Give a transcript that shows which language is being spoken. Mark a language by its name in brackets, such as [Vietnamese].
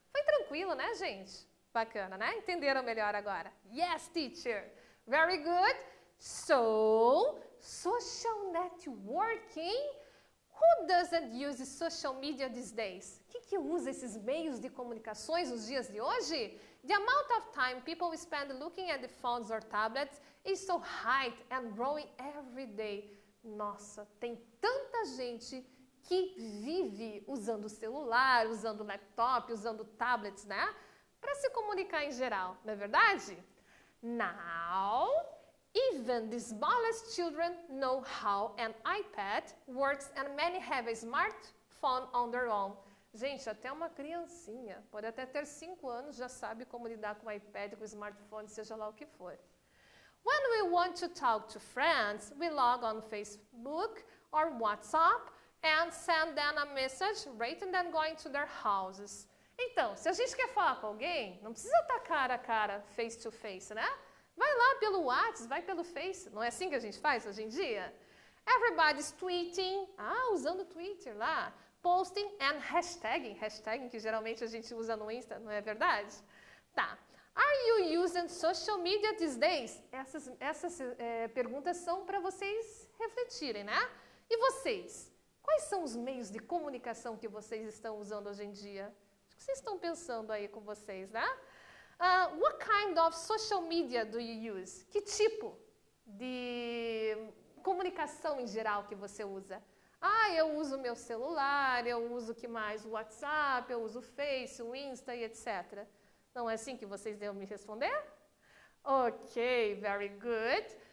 [Portuguese] Foi tranquilo, né, gente? Bacana, né? Entenderam melhor agora. [English] Yes, teacher. Very good. So, social networking. Who doesn't use social media these days? [Portuguese] Quem que usa esses meios de comunicações nos dias de hoje? [English] The amount of time people spend looking at the phones or tablets is so high and growing every day. [Portuguese] Nossa, tem tanta gente que vive usando celular, usando laptop, usando tablets, né? Para se comunicar em geral, não é verdade? [English] Now, even the smallest children know how an iPad works and many have a smartphone on their own. [Portuguese] Gente, até uma criancinha, pode até ter 5 anos, já sabe como lidar com o iPad, com o smartphone, seja lá o que for. [English] When we want to talk to friends, we log on Facebook or WhatsApp and send them a message rather than going to their houses. [Portuguese] Então, se a gente quer falar com alguém, não precisa estar cara a cara, [English] face to face, [Portuguese] né? Vai lá pelo WhatsApp, vai pelo Face. Não é assim que a gente faz hoje em dia? [English] Everybody's tweeting. [Portuguese] Ah, usando Twitter lá. [English] Posting and hashtagging. [Portuguese] Hashtag que geralmente a gente usa no Insta, não é verdade? Tá. [English] Are you using social media these days? [Portuguese] Essas perguntas são para vocês refletirem, né? E vocês? Quais são os meios de comunicação que vocês estão usando hoje em dia? O que vocês estão pensando aí com vocês, né? [English] What kind of social media do you use? [Portuguese] Que tipo de comunicação em geral que você usa? Ah, eu uso meu celular, eu uso o que mais? O WhatsApp, eu uso o Face, o Insta e etc. Não é assim que vocês devem me responder? [English] Ok, very good.